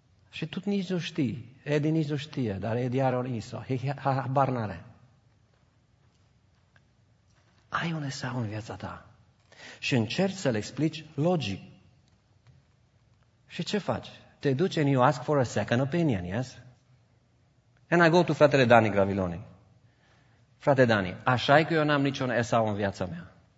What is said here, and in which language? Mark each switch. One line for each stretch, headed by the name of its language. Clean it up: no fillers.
Romanian: Și tu nici nu știi. Edi nici nu știe, dar Edi are un Esau. Habar n-are. Ai un Esau în viața ta. Și încerci să-l explici logic. Și ce faci? Te duci
English: and you ask for a second opinion, yes? And I go to fratele Dani Graviloni.
Romanian: Frate Dani, așa-i că eu n-am niciun Esau în viața mea.